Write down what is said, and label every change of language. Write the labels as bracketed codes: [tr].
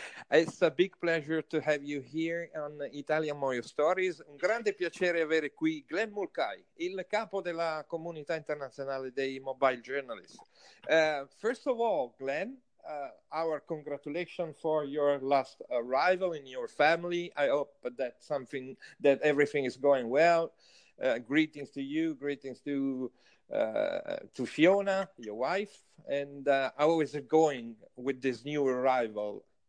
[en] It's a big pleasure to have you here on Italian Mojo Stories. [it] Un grande piacere avere qui Glen Mulcahy, il capo della comunità internazionale dei mobile journalists. [en] First of all, Glen, our congratulations for your last arrival in your family. I hope that everything is going well. Greetings to you, greetings to Fiona, your wife, and how is it going with this new arrival?